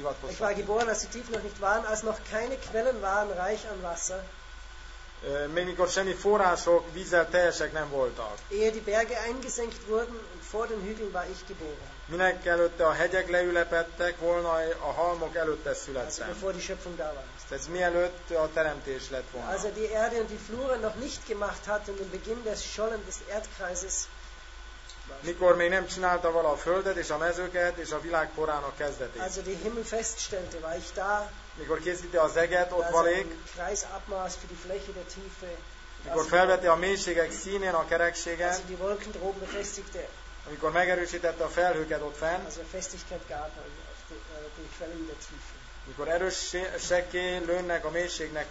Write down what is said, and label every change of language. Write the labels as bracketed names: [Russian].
[German] Ich war geboren, als die Tiefen noch nicht waren, als noch keine Quellen waren reich an Wasser. [Hungarian] Még mikor semmi források vízzel teljesek nem voltak. [German] Ehe die Berge eingesenkt wurden, vor den Hügeln war ich geboren. [Hungarian] Minek előtte a hegyek leülepedtek volna, a halmok előtte születtem. [German] Also bevor die Schöpfung da war. [Hungarian] Ez mielőtt a teremtés lett volna. [German] Als er die Erde und die Flure noch nicht gemacht hat und den Beginn des Schollen des Erdkreises. [Hungarian] Mikor még nem csinálta vala a földet és a mezőket és a világ porának kezdetét. [German] Also die Himmel feststellte, war ich da. [Hungarian] Mikor készíti az eget, ott valék. [German] Kreisabmaß für die Fläche der Tiefe. [Hungarian] Mikor felveti a mélységek színén a kerekséget. [German] Also die Wolken droben befestigte. [Hungarian] Amikor megerősítette a felhőket ott fenn. [German] Also Festigkeit gab die Quellen der Tiefe. [Hungarian] Mikor erőssekké lőnek a mélységnek